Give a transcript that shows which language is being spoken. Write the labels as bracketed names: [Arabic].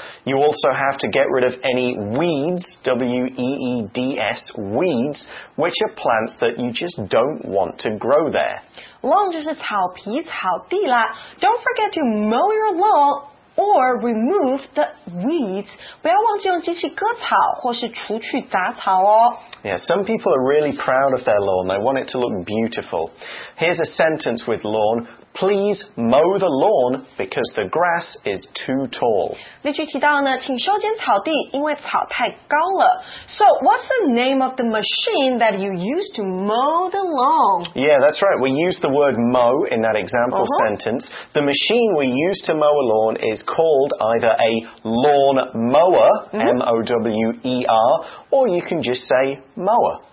[English] You also have to get rid of any weeds, W-E-E-D-S, weeds, which are plants that you just don't want to grow there. [Chinese] Lawn 就是草皮草地啦。 [English] Don't forget to mow your lawn or remove the weeds. [Chinese] 不要忘记用机器割草或是除去杂草哦。 [English] Yeah, some people are really proud of their lawn. They want it to look beautiful. Here's a sentence with lawn. Please mow the lawn because the grass is too tall. [Chinese] 例句提到呢，请修剪草地，因为草太高了。 [English] So, what's the name of the machine that you use to mow the lawn? Yeah, that's right. We use the word mow in that example sentence. The machine we use to mow a lawn is called either a lawn mower, M-O-W-E-R, or you can just say mower.